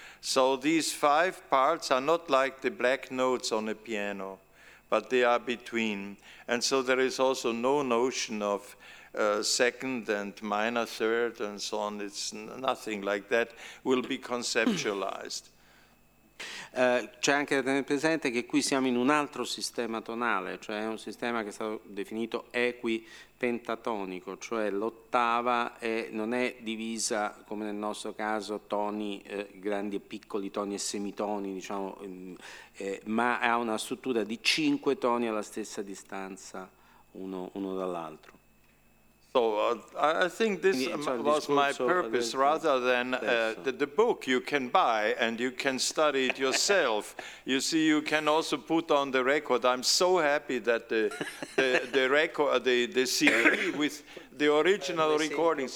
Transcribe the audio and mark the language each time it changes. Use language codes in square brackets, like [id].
[en] So these five parts are not like the black notes on a piano, but they are between. And so there is also no notion of second and minor third and so on. It's nothing like that will be conceptualized. [it] C'è anche da tenere presente che qui siamo in un altro sistema tonale, cioè un sistema che è stato definito equipentatonico, cioè l'ottava non è divisa come nel nostro caso toni grandi e piccoli, toni e semitoni, diciamo, ma ha una struttura di cinque toni alla stessa distanza uno dall'altro. [en] So I think this was my purpose rather than the book you can buy and you can study it yourself. You see, you can also put on the record. I'm so happy that the record, the CD with the original recordings.